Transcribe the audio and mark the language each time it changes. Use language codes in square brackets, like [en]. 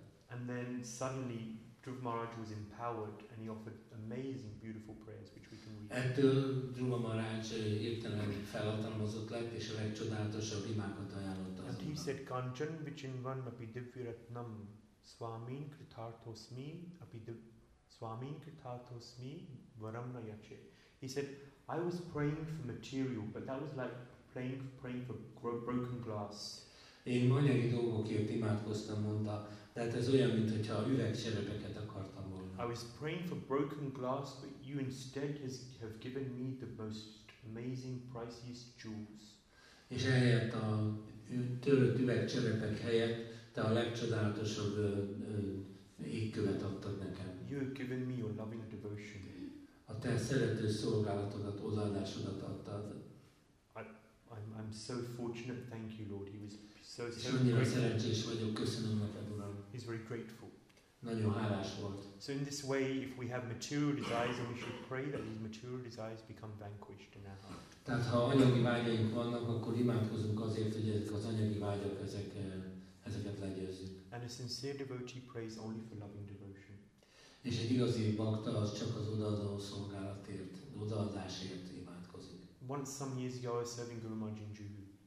[en] And then suddenly Dhruva Maharaj was empowered and he offered amazing beautiful prayers which we can read. [hu] Ettől Dhruva Maharaj hirtelen felhatalmazott lett és a legcsodálatosabb imákat ajánlott azonnal. [en] And he said, [sa] Kanchan vichinvan api divyaratnam swamin kritarthosmi api swamin kritarthosmi varamna yache. [en] He said, I was praying for material but that was like praying for broken glass. [hu] Én anyagi dolgokért imádkoztam, mondta, de hát ez olyan, mint hogyha üvegcserepeket akartam volna. [en] I was praying for broken glass, but you instead have given me the most amazing, priceless jewels. [hu] És ehelyett a törött üvegcserepek helyett, te a legcsodálatosabb égkövet adtad nekem. [en] You have given me your loving devotion. [hu] A te szerető szolgálatodat, odaadásodat adtad. [en] I'm so fortunate, thank you, Lord. He was so [hu] annyira szerencsés vagyok, köszönöm neked, Uram. [en] He's very grateful. [hu] Nagyon hálás volt. [en] So in this way, if we have material desires, then we should pray that these material desires become vanquished in our heart. [hu] Tehát ha anyagi vágyaink vannak, akkor imádkozunk azért, hogy ezek az anyagi vágyak ezeket legyőzzük. [en] And a sincere devotee prays only for loving devotion. [hu] És egy igazi bhakta az csak az odaadó szolgálatért, odaadásért imádkozik. [en] Once some years ago, I was serving Guru Maharaj in Juhu.